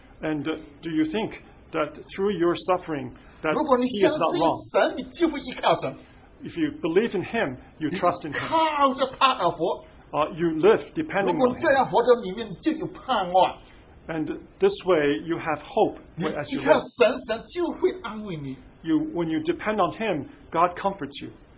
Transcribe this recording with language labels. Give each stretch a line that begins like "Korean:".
English: And do you think that through your suffering that He is not wrong?
Chinese: 如果你相信神，你就会依靠神。
English: If you believe in Him, you trust in Him. You live depending on Him. And this way, you have hope as you live. When you depend on Him, God comforts you.